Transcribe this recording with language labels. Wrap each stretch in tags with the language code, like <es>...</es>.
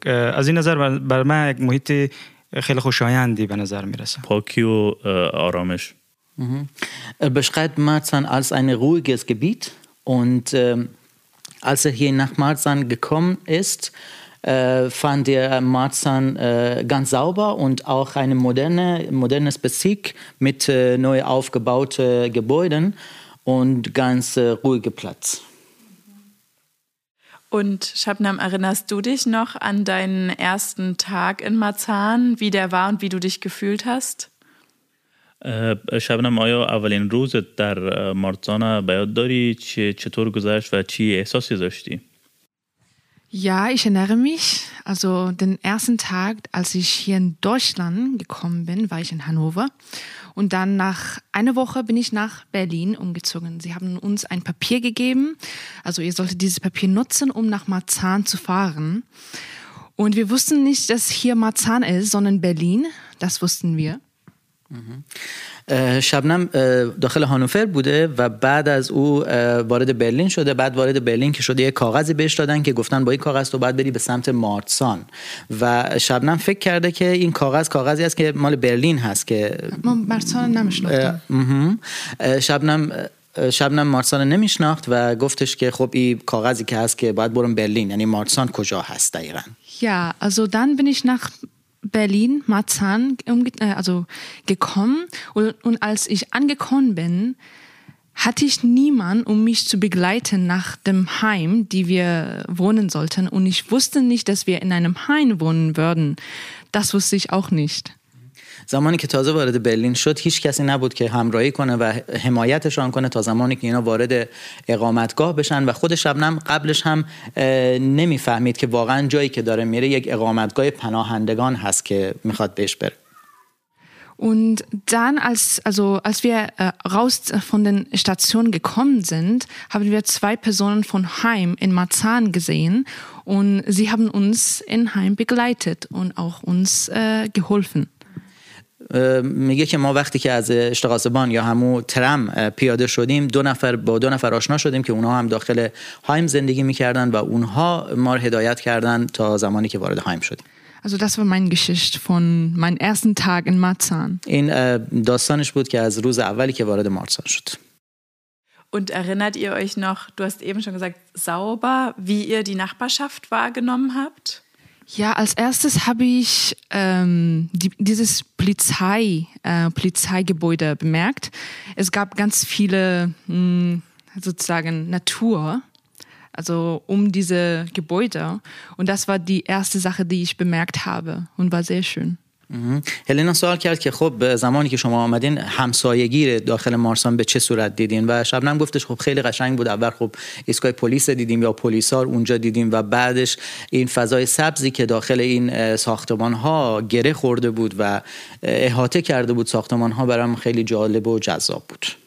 <fa>از این نظر بر من یک محیط خیلی خوشایندی به نظر میرسه. پاکی و آرامش.</fa> <de>beschreibt Marzahn als ein ruhiges Gebiet und als er hier nach Marzahn gekommen ist, fand er Marzahn ganz sauber und auch eine modernes Bezirk mit neu aufgebauten Gebäuden und ganz ruhiger Platz. Und Shabnam, erinnerst du dich noch an deinen ersten Tag in Marzahn, wie der war und wie du dich gefühlt hast?</de> <fa>Shabnam, آیا اولین روزت در مارزان بیاد داری چطور گذشت و چی احساسی داشتی؟</fa> <de>Ja, ich erinnere mich. Also den ersten Tag, als ich hier in Deutschland gekommen bin, war ich in Hannover. Und dann nach einer Woche bin ich nach Berlin umgezogen. Sie haben uns ein Papier gegeben. Also ihr solltet dieses Papier nutzen, um nach Marzahn zu fahren. Und wir wussten nicht, dass hier Marzahn ist, sondern Berlin. Das wussten wir.</de> <fa>شبنم داخل هانوفر بوده و بعد از او وارد برلین شده. بعد وارد برلین که شده یه کاغذی بهش دادن که گفتن با این کاغذ تو باید بری به سمت مارسان و شبنم فکر کرده که این کاغذی است که مال برلین هست که ما مارسان نمیشناختیم. شبنم شبنم مارسان رو نمیشناخت و گفتش که خب این کاغذی که هست که باید برم برلین، یعنی مارسان کجا هست دقیقا؟</fa> <de>Also dann bin ich nach Berlin, Marzahn, also gekommen und als ich angekommen bin, hatte ich niemanden, um mich zu begleiten nach dem Heim, die wir wohnen sollten. Und ich wusste nicht, dass wir in einem Heim wohnen würden. Das wusste ich auch nicht.</de> <fa>زمانی که تازه وارد برلین شد هیچ کسی نبود که همراهی کنه و حمایتشان کنه تا زمانی که اینا وارد اقامتگاه بشن و خود شبنم قبلش هم نمیفهمید که واقعا جایی که داره میره یک اقامتگاه پناهندگان هست که میخواد بهش بره.</fa> <de>Und dann als wir raus von den Stationen gekommen sind, haben wir zwei Personen von Heim in Marzahn gesehen und sie haben uns in Heim begleitet und auch uns geholfen.</de> <fa>میگه که ما وقتی که از اشتغاسبان یا همو ترم پیاده شدیم با دو نفر آشنا شدیم که اونها هم داخل هایم زندگی میکردن و اونها ما رو هدایت کردن تا زمانی که وارد هایم شدیم.</fa> <de>Also das war mein Geschichte von mein ersten Tag in Marzahn.</de> <fa>این داستانش بود که از روز اولی که وارد مارسان شد.</fa> <de>Und erinnert ihr euch noch, du hast eben schon gesagt, sauber, wie ihr die Nachbarschaft wahrgenommen habt? Ja, als erstes habe ich dieses Polizeigebäude bemerkt. Es gab ganz viele sozusagen Natur, also um diese Gebäude. Und das war die erste Sache, die ich bemerkt habe und war sehr schön.</de> <fa>هلینا سوال کرد که خب زمانی که شما آمدین همسایگی داخل مارسان به چه صورت دیدین و شبنم گفتش خب خیلی قشنگ بود، اول خب ایستگاه پلیس دیدیم یا پلیسار اونجا دیدیم و بعدش این فضای سبزی که داخل این ساختمان ها گره خورده بود و احاطه کرده بود ساختمان ها برام خیلی جالب و جذاب بود.</fa>